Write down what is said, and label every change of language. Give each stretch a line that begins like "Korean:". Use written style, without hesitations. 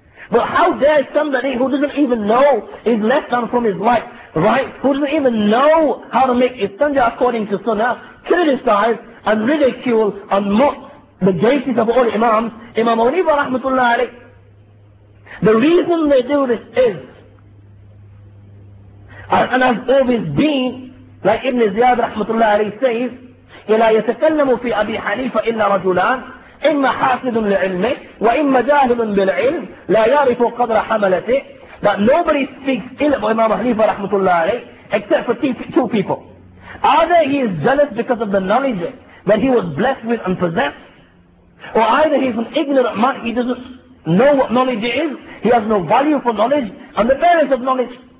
English: But how dare somebody who doesn't even know his left hand from his right, right, who doesn't even know how to make istinja according to sunnah, criticize and ridicule and mock the greatest of all imams, Imam Hanifa rahmatullah alayh. The reason they do this is, and has always been, like Ibn Ziyad rahmatullah alayh says,
Arabic: إِلَا يَتَكَلَّمُ فِي أَبِي حَنِيفَ إِلَّا رَجُلًا إِمَّا حَاسِدٌ لِعِلْمِهِ وَإِمَّا جَاهِلٌ بِالْعِلْمِ لَا يَعْرِفُ قَدْرَ حَمَلَتِهِ.
English: That nobody speaks ill of Imam Hanifa rahmatullah alayh except for two people. Either he is jealous because of the knowledge that he was blessed with and possessed, or either he is an ignorant man, he doesn't know what knowledge is, he has no value for knowledge and the fairness of knowledge.